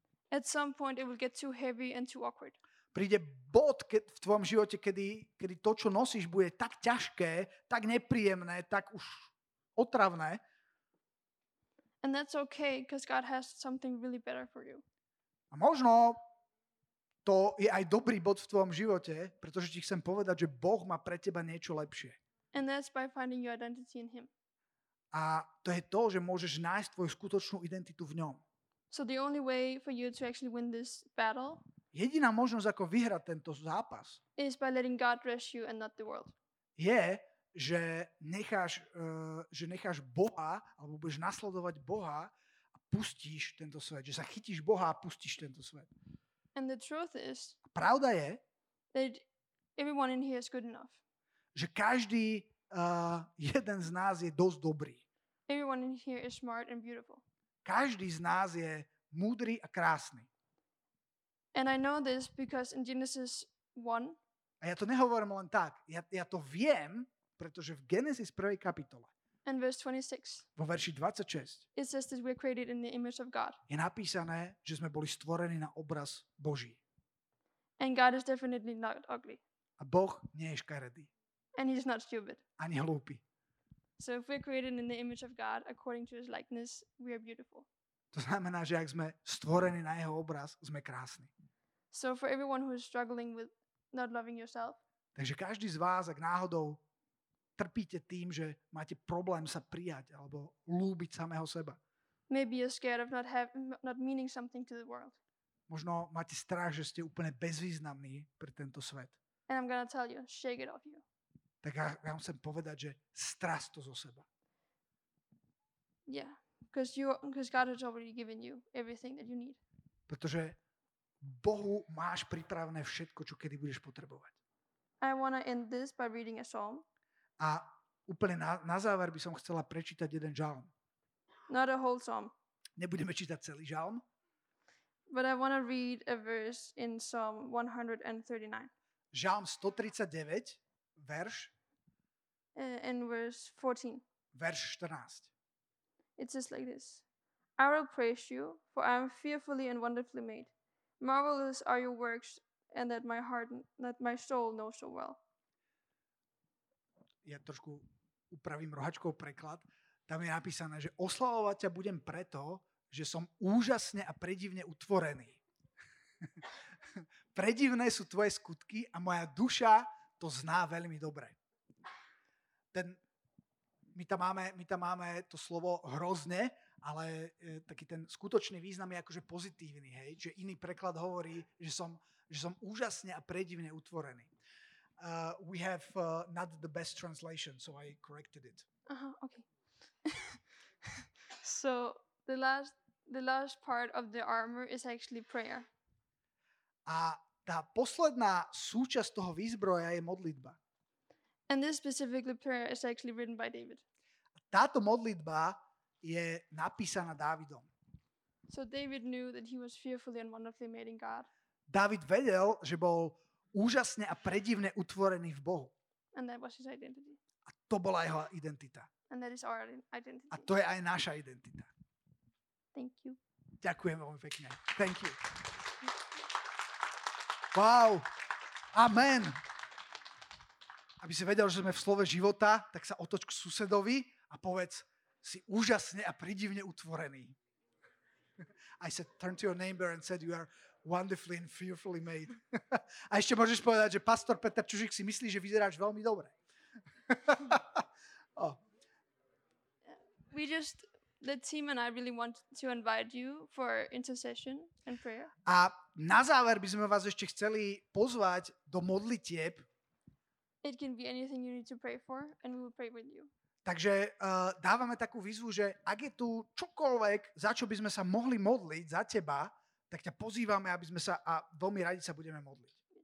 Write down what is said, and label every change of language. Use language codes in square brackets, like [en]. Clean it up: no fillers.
[en] At some point it will get too heavy and too awkward. [sk] Príde bod v tvojom živote, kedy to, čo nosíš, bude tak ťažké, tak nepríjemné, tak už otravné. [en] And that's okay, because God has something really better for you. [sk] A možno to je aj dobrý bod v tvojom živote, pretože ti chcem povedať, že Boh má pre teba niečo lepšie. [en] And that's by finding your identity in him. [sk] A to je to, že môžeš nájsť tvoju skutočnú identitu v ňom. [en] So the only way for you to actually win this battle, [sk] jediná možnosť, ako vyhrať tento zápas, [en] is by letting God dress you and not the world. [sk] Je, že necháš Boha, alebo budeš nasledovať Boha a pustíš tento svet. Že sa chytíš Boha a pustíš tento svet. [en] And the truth is, [sk] pravda je, [en] that everyone in here is good enough. [sk] Že každý jeden z nás je dosť dobrý. [en] Everyone in here is smart and beautiful. [sk] Každý z nás je múdry a krásny. [en] And I know this because in Genesis 1. [sk] A ja to nehovorím len tak. Ja to viem, pretože v Genesis 1. kapitole. [en] And verse 26. [sk] Vo verši 26. [en] It says that we're created in the image of God. [sk] Je napísané, že sme boli stvorení na obraz Boží. [en] And God is definitely not ugly. [sk] A Boh nie je škaredý. [en] And he's not stupid. [sk] Ani hlúpy. [en] So if we're created in the image of God according to his likeness, we are beautiful. [sk] To znamená, že ak sme stvorení na jeho obraz, sme krásni. [en] So for everyone who is struggling with not loving yourself. [sk] Takže každý z vás, ak náhodou trpíte tým, že máte problém sa prijať alebo lúbiť samého seba. [en] Maybe you're scared of not meaning something to the world. [sk] Možno máte strach, že ste úplne bezvýznamní pre tento svet. [en] And I'm gonna tell you, shake it off you. [sk] Tak ja musím povedať, že strás to zo seba. [en] Yeah, because God has already given you everything that you need. [sk] Pretože Bohu máš pripravené všetko, čo kedy budeš potrebovať. [en] I want to end this by reading a psalm. [sk] A úplne na záver by som chcela prečítať jeden žalm. [en] Not a whole psalm. [sk] Nebudeme čítať celý žalm. [en] But I want to read a verse in Psalm 139. [sk] Žalm 139. Verš? [en] And verse 14. [sk] Verš 14. [en] It says like this. I will praise you, for I am fearfully and wonderfully made. Marvelous are your works, and that my soul knows so well. [sk] Ja trošku upravím rohačkou preklad. Tam je napísané, že oslavovať ťa budem preto, že som úžasne a predivne utvorený. Predivné sú tvoje skutky a moja duša to zná veľmi dobre. My tam máme to slovo hrozne, ale taký ten skutočný význam je akože pozitívny. Hej? Že iný preklad hovorí, že som úžasne a predivne utvorený. [en] We have not the best translation, so I corrected it. Aha, okay. So the last part of the armor is actually prayer. [sk] A tá posledná súčasť toho výzbroja je modlitba. [en] And this specifically prayer is actually written by David. [sk] Táto modlitba je napísaná Dávidom. [en] So David knew that he was fearfully and wonderfully made in God. [sk] Dávid vedel, že bol úžasne a predivne utvorený v Bohu. [en] And that was his identity. [sk] A to bola jeho identita. [en] And that is our identity. [sk] A to je aj naša identita. [en] Thank you. [sk] Ďakujem veľmi pekne. [en] Thank you. [sk] Wow. Amen. Aby si vedel, že sme v slove života, tak sa otoč k susedovi a povedz, si úžasne a predivne utvorený. [en] I said, turn to your neighbor and said, you are wonderfully and fearfully made. [sk] A ešte môžeš povedať, že pastor Peter Čužík si myslí, že vyzeráš veľmi dobre. Oh. [en] We just, the team and I really want to invite you for intercession and prayer. [sk] A na záver by sme vás ešte chceli pozvať do modlitieb. [en] It can be anything you need to pray for and we will pray with you. [sk] Takže dávame takú výzvu, že ak je tu čokoľvek, za čo by sme sa mohli modliť za teba, tak ťa pozývame, aby sme sa a veľmi radi sa budeme modliť.